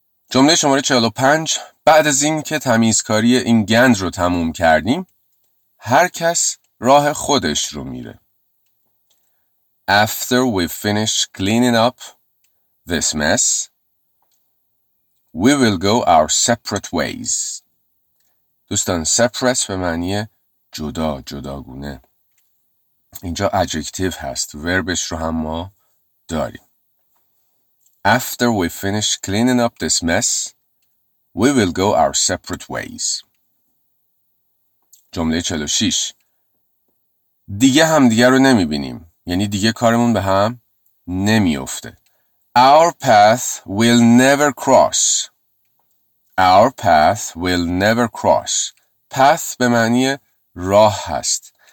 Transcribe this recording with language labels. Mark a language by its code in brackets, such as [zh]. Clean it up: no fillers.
[fa] جمله شماره 45. بعد از این که تمیزکاری این گند رو تموم کردیم، هر کس راه خودش رو میره. [en] After we finish cleaning up this mess, we will go our separate ways. [fa] دوستان separate به معنی جدا، جداگونه. اینجا adjective هست، وربش رو هم ما داریم. [en] After we finish cleaning up this mess, we will go our separate ways. [fa] جمله 46. دیگه هم دیگه رو نمیبینیم. یعنی دیگه کارمون به هم نمیفته. [en] Our path will never cross. Our path will never cross. Path [fa] به معنی راه هست.